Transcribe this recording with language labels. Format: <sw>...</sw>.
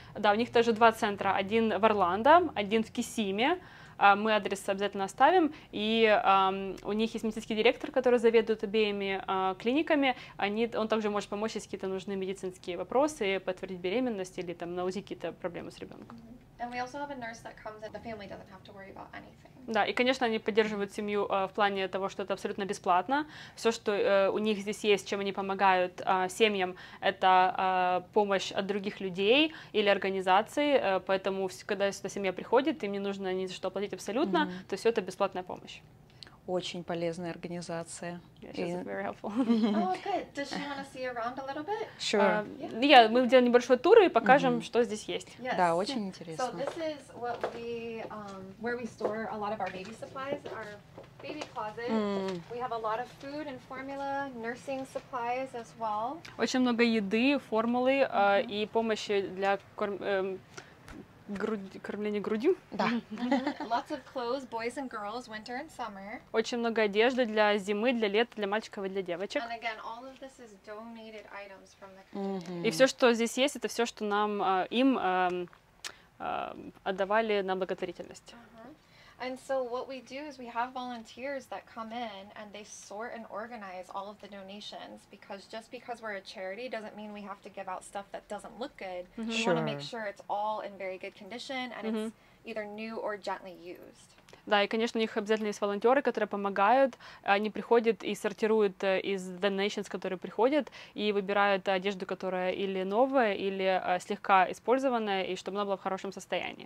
<ru>Да, у них тоже 2 центра, один в Орландо, один в Кисиме, мы адрес обязательно оставим, и у них есть медицинский директор, который заведует обеими клиниками, он также может помочь, если какие-то нужны медицинские вопросы, подтвердить беременность или там на УЗИ какие-то проблемы с ребенком.</ru> <en>And we also have a nurse that comes in. The family doesn't have to worry about anything.</en> <ru>Да, и, конечно, они поддерживают семью в плане того, что это абсолютно бесплатно. Все, что у них здесь есть, чем они помогают семьям, это помощь от других людей или организаций. Поэтому, когда сюда семья приходит, им не нужно ни за что платить абсолютно, то все это бесплатная помощь. Очень полезная организация.</ru> <en>Yeah, she's very helpful. Oh, good. Does she want to see around a little bit? Sure.</en> <ru>Yeah, мы сделаем небольшой тур и покажем, что здесь есть. Yes. Да, очень интересно.</ru> <en>So this is what we, where we store a lot of our baby supplies, our baby closet. We have a lot of food and formula, nursing supplies as well.</en> <ru>Очень много еды, формулы и помощи для кормление грудью. Да.</ru> <en>Lots of clothes, boys and girls, winter and summer.</en> <ru>Очень много одежды для зимы, для лет, для мальчиков и для девочек.</ru> <en>And again, all of this is donated items from the community.</en> <ru>И все, что здесь есть, это все, что нам им отдавали на благотворительность.</ru> <en>And so what we do is we have volunteers that come in and they sort and organize all of the donations, because just because we're a charity doesn't mean we have to give out stuff that doesn't look good. Mm-hmm. We want to make sure it's all in very good condition and mm-hmm. it's either new or gently used.</en> <ru>Да, и, конечно, у них обязательно есть волонтеры, которые помогают. Они приходят и сортируют из donations, которые приходят, и выбирают одежду, которая или новая, или слегка использованная, и чтобы она была в хорошем состоянии.</ru>